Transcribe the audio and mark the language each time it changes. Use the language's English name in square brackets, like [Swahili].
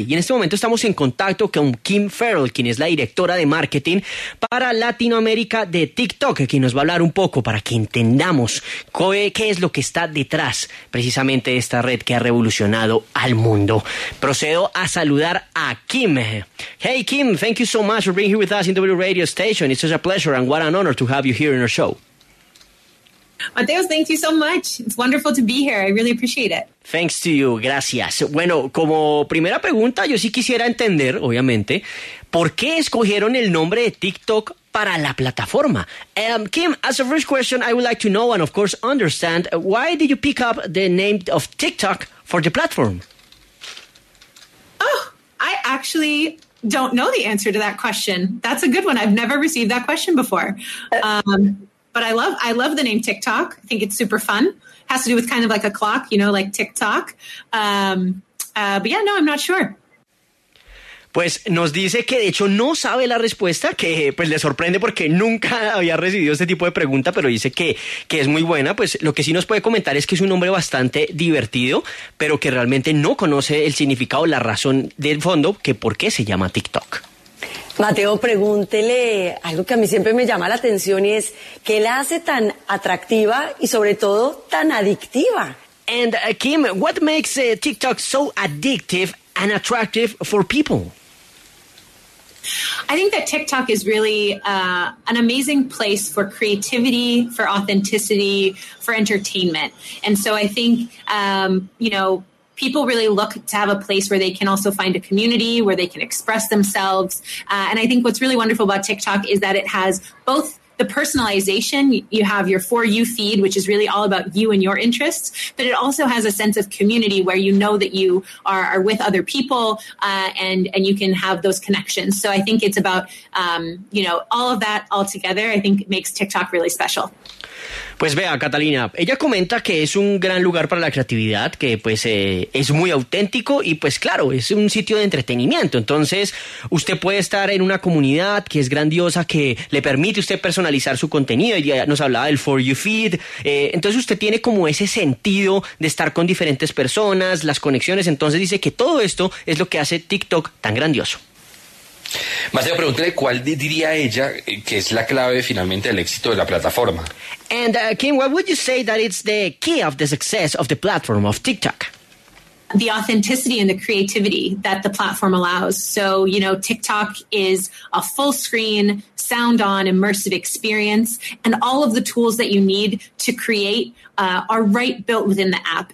[Spanish] Y en este momento estamos en contacto con Kim Farrell, quien es la directora de marketing para Latinoamérica de TikTok, quien nos va a hablar un poco para que entendamos qué es lo que está detrás precisamente de esta red que ha revolucionado al mundo. Procedo a saludar a Kim. [English] Hey, Kim, thank you so much for being here with us in W Radio Station. It's such a pleasure and what an honor to have you here in our show. Mateo, thank you so much. It's wonderful to be here. I really appreciate it. Thanks to you. Gracias. [Spanish] Bueno, como primera pregunta, yo sí quisiera entender, obviamente, ¿por qué escogieron el nombre de TikTok para la plataforma? [English] Kim, as a first question, I would like to know and, of course, understand, why did you pick up the name of TikTok for the platform? Oh, I actually don't know the answer to that question. That's a good one. I've never received that question before. But I love the name TikTok. I think it's super fun. Has to do with kind of like a clock, you know, like TikTok. But yeah, no, I'm not sure. [Spanish] Pues nos dice que de hecho no sabe la respuesta, que pues le sorprende porque nunca había recibido este tipo de pregunta, pero dice que es muy buena. Pues lo que sí nos puede comentar es que es un nombre bastante divertido, pero que realmente no conoce el significado, la razón del fondo, que por qué se llama TikTok. Mateo, pregúntele algo que a mí siempre me llama la atención y es, ¿qué la hace tan atractiva y sobre todo tan adictiva? [English] And Kim, what makes TikTok so addictive and attractive for people? I think that TikTok is really an amazing place for creativity, for authenticity, for entertainment. And so I think, you know, people really look to have a place where they can also find a community, where they can express themselves. And I think what's really wonderful about TikTok is that it has both the personalization. You have your For You feed, which is really all about you and your interests, but it also has a sense of community where you know that you are with other people and you can have those connections. So I think it's about, you know, all of that all together, I think makes TikTok really special. [Spanish] Pues vea, Catalina, ella comenta que es un gran lugar para la creatividad, que pues es muy auténtico y pues claro, es un sitio de entretenimiento. Entonces, usted puede estar en una comunidad que es grandiosa, que le permite usted personalizar su contenido. Ella nos hablaba del For You Feed. Entonces, usted tiene como ese sentido de estar con diferentes personas, las conexiones. Entonces, dice que todo esto es lo que hace TikTok tan grandioso. Mateo, pregúntale cuál diría ella que es la clave finalmente del éxito de la plataforma. [English] And Kim, what would you say that it's the key of the success of the platform of TikTok? The authenticity and the creativity that the platform allows. So, you know, TikTok is a full screen, sound on, immersive experience, and all of the tools that you need to create are right built within the app.